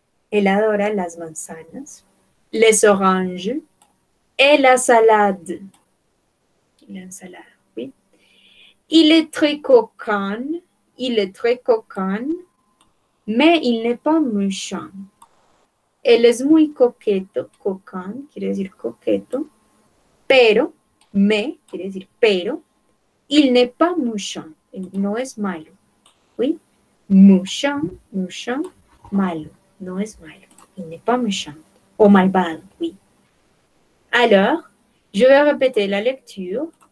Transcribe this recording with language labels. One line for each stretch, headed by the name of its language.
Spanish: Él adora las manzanas,
French: les oranges et la salade.
Spanish: La ensalada.
French: Il est très coquin, il est très coquin, mais il n'est pas méchant.
Spanish: Él es muy coqueto, coquin quiere decir coqueto, pero, mais quiere decir pero,
French: il n'est pas méchant,
Spanish: no es malo.
French: Oui, méchant, méchant,
Spanish: malo, no es malo,
French: il n'est pas méchant, o malvado, oui. Alors, je vais répéter la lecture.